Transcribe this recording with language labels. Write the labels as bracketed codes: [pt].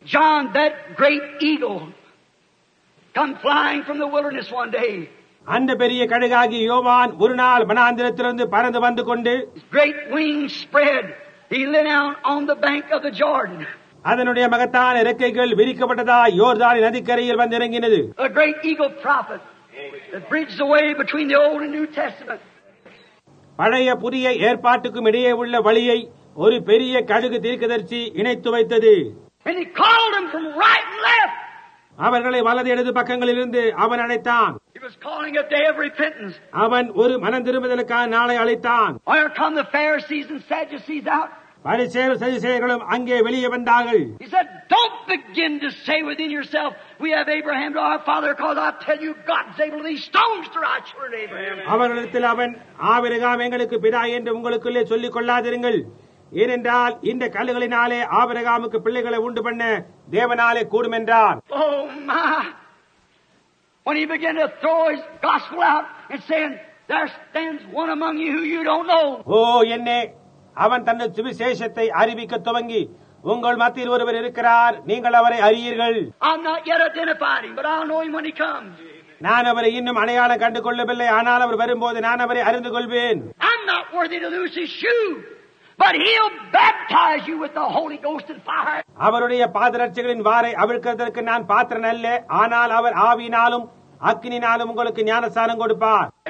[en] John that great eagle come flying from the wilderness one day. [ta] அந்த பெரிய கழுகாகி யோவான் ஒரு நாள் வனாந்திரத்திலிருந்து பறந்து வந்து கொண்டு [en] Great wings spread he lay down on the bank of the Jordan. [ta] அதனுடைய மகத்தான இறக்கைகள் விரிக்கப்பட்டதா யோர்தான் நதிக்கரையில் வந்து இறங்கினது. [en] A great eagle prophet that bridges the way between the old and new testament. [ta] பழைய புதிய ஏற்பாட்டுக்கும் இடையே உள்ள வழியை ஒரு பெரிய கழுகு தீர்க்கதரிசி இணைத்து வைத்தது. [en] And he called him from right and left. [ta] அவர்களை வலது இடது பக்கங்களிலிருந்து அவன் அழைத்தான். [en] He was calling a day of repentance. [ta] அவன் ஒரு மனம் திரும்புதலுக்கான நாளை அழைத்தான். [en] Where come the Pharisees and Sadducees out? [ta] பரிசேயர் சதுசேயர்களும் அங்கே வெளியே வந்தார்கள். [en] He said, "Don't begin to say within yourself, 'We have Abraham to our father,' because I tell you, God's able to these stones to rise for Abraham." [ta] அவர்களிடத்தில் அவன், Abraham எங்களுக்கு பிதா என்று உங்களுக்குள்ளே சொல்லிக் கொள்ளாதிருங்கள், ஏனென்றால் இந்த கல்லுகளினாலே ஆபிரகாமுக்கு பிள்ளைகளை உண்டு பண்ண தேவனாலே கூடும் என்றார். [en] Oh my! When he began to throw his gospel out and saying, "There stands one among you who you don't know." [ta] Oh, என்னே! அவன் தனது சுவிசேஷத்தை அறிவிக்க துவங்கி உங்கள் மத்தியில் ஒருவர் இருக்கிறார், நீங்கள் அவரை அறியீர்கள். [en] I'm not yet identifying, but I'll know him when he comes. [ta] நான் அவரை இன்னும் அடையாளம் கண்டு கொள்ளவில்லை, ஆனால் அவர் வரும்போது நான் அவரை அறிந்து கொள்வேன். [en] I'm not worthy to lose his shoe, but he'll baptize you with the Holy Ghost and fire. [ta] அவருடைய பாதரட்சிகளின் வாரை அவிழ்க்கிறதற்கு நான் பாத்திரன் அல்ல, ஆனால் அவர் ஆவியினாலும் அக்னினாலும் உங்களுக்கு ஞானஸ்நானம் கொடுப்பார்.